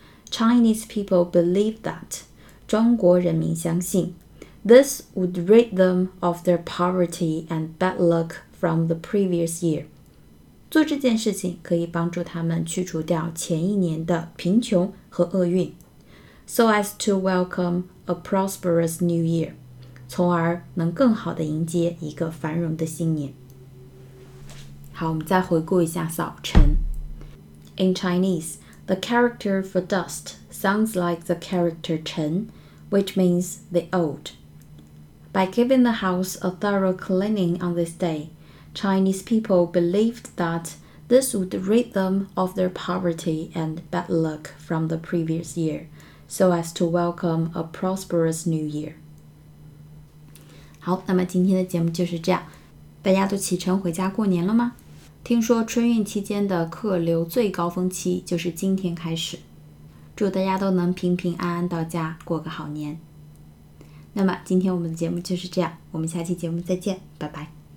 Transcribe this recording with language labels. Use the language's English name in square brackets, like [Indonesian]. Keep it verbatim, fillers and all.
[English] Chinese people believe that， [Chinese] 中国人民相信 [English] This would rid them of their poverty and bad luck from the previous year， [Chinese] 做这件事情可以帮助他们去除掉前一年的贫穷和厄运。 [English] So as to welcome a prosperous new year， [Chinese] 从而能更好的迎接一个繁荣的新年。好，我们再回顾一下扫尘。 [English] In Chinese, the character for dust sounds like the character 尘，which means the old. By giving the house a thorough cleaning on this day, Chinese people believed that this would rid them of their poverty and bad luck from the previous year, so as to welcome a prosperous new year. [Chinese] 好，那么今天的节目就是这样。大家都启程回家过年了吗？听说春运期间的客流最高峰期就是今天开始。祝大家都能平平安安到家，过个好年。那么今天我们的节目就是这样，我们下期节目再见，拜拜。